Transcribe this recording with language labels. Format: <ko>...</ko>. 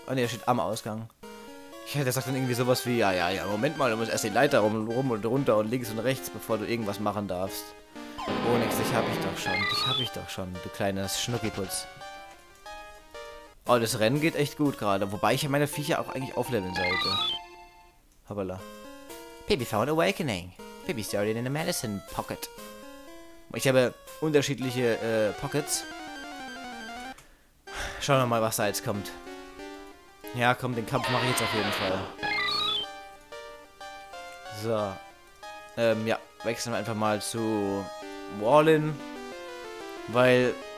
<de>Oh ne, der steht am Ausgang. Ja, der sagt dann irgendwie sowas wie... Ja, Moment mal, du musst erst die Leiter rum und runter und links und rechts, bevor du irgendwas machen darfst. Oh nix, dich hab ich doch schon, du kleines Schnuckiputz. Oh, das Rennen geht echt gut gerade. Wobei ich ja meine Viecher auch eigentlich aufleveln sollte. Hoppala.</de> <en>Baby found awakening. Baby started in a medicine pocket.</en> <de>Ich habe unterschiedliche Pockets. Schauen wir mal, was da jetzt kommt. Ja, komm, den Kampf mache ich jetzt auf jeden Fall. So. Ja. Wechseln wir einfach mal zu Wallin. Weil...</de>